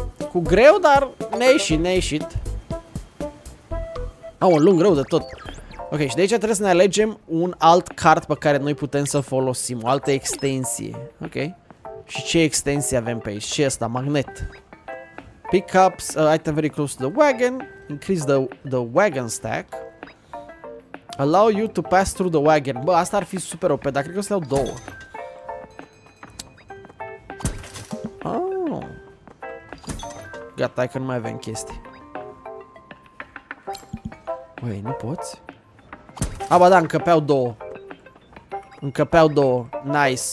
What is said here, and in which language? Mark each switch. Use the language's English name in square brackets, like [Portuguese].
[Romanian] Cu greu, dar ne-a ieșit. Au un lung greu de tot. Ok, și de aici trebuie să ne alegem un alt card pe care noi putem să folosim, o altă extensie. Ok. Și ce extensie avem pe aici? Ce e asta? Magnet. [English] Pickups, item very close to the wagon, increase the wagon stack. Allow you to pass through the wagon. [Romanian] Bă, asta ar fi super OP, dar cred că o să iau două. Oh. Gata, hai că nu mai avem chestii. Băi, nu poți? A, bă, da, încăpeau două. Încăpeau două, nice.